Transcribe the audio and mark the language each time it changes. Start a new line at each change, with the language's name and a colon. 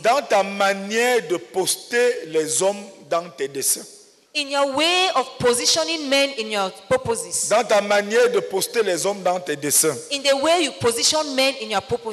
French: Dans ta manière de poster les hommes dans tes desseins.
English: In your way of positioning men in your purposes.
French: Dans ta manière de poster les hommes dans tes desseins.
English: In the way you position men in your purposes.